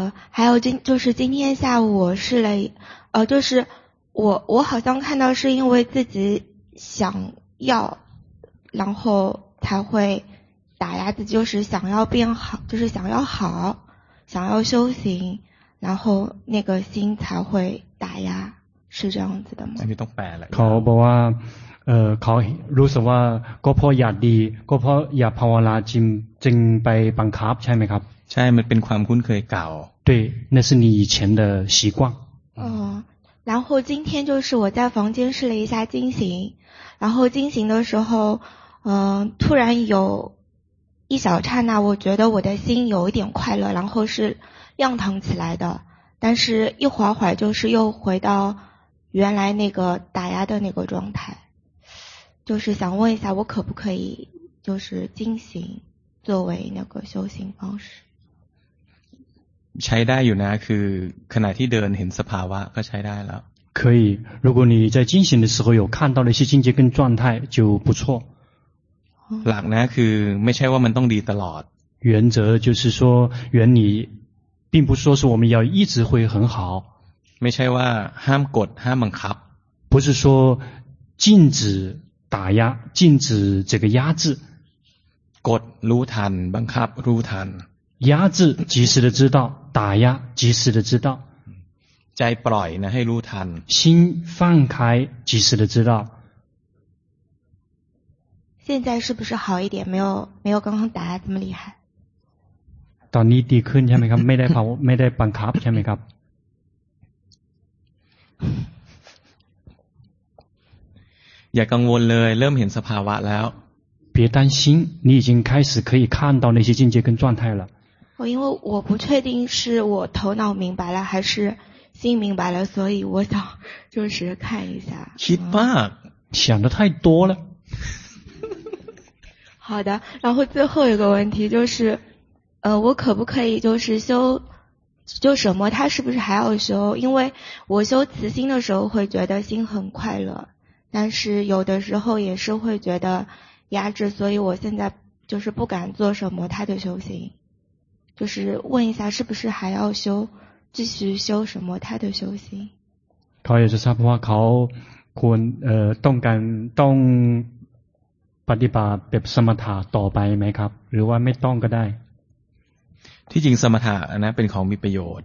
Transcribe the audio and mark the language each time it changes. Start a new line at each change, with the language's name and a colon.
Chinese: 还有今天下午我试了就是我好像看到是因为自己想要然后才会打压自己就是想要变好就是想要好想要修行然后那个心才会打压是这样子的吗你都摆了考不啊
Thai: เขารู้สึกว่าก็เพราะอยากดีก็เพราะอยากภาวนาจึงไปบังคับใช่ไหมครับ ใช่มันเป็นความคุ้นเคยเก่า
Chinese: 对那是你以前的习惯然后今天就是我在房间试了一下静行然后静行的时候突然有一小刹那我觉得我的心有一点快乐然后是亮堂起来的但是一会儿会就是又回到原来那个打压的那个状态就是想问一下我可不可以就是进行作为那个修行方式
Thai: ใช้ได้อยู่นะคือขณะที่เดินเห็นสภาวะก็ใช้ได้แล้ว
Chinese: 可以如果你在进行的时候有看到了一些境界跟状态就不错
Thai: หลักนะคือไม่ใช่ว่ามันต้องดีตลอด
Chinese: 原则就是说原理并不说是我们要一直会很好
Thai: ไม่ใช่ว่าห้ามกดห้ามบังคับ
Chinese: 不是说禁止打压禁止这个压制
Thai: กดรู้ทันบังคับรู้ทัน
Chinese: 压制及时的知道打压及时的知道
Thai: ใจปล่อยนะให้รู้ทัน
Chinese: 心放开及时的知道现在是不是好一点没有刚刚打压这么厉害
Thai: ตอนนี้ดีขึ้นใช่ไหมครับ ไม่ได้ภาวะไม่ได้บังคับใช่ไหมครับ อย่ากังวลเลยเริ่มเห็นสภาวะแล้ว
Chinese: 别担心你已经开始可以看到那些境界跟状态了因为我不确定是我头脑明白了还是心明白了所以我想就是看一下
Thai: คิดมาก
Chinese: 想得太多了好的然后最后一个问题就是我可不可以就是修就什么它是不是还要修因为我修慈心的时候会觉得心很快乐但是有的时候也是会觉得压制所以我现在就是不敢做什么他的修行就是问一下是不是还要修继续修什么他的修行
Thai: เขาอยากจะทราบว่าเขาควรต้องการต้องปฏิบัติแบบสมถะต่อไปไหมครับหรือว่าไม่ต้องก็ได้ ที่จริงสมถะนะเป็นของมีประโยชน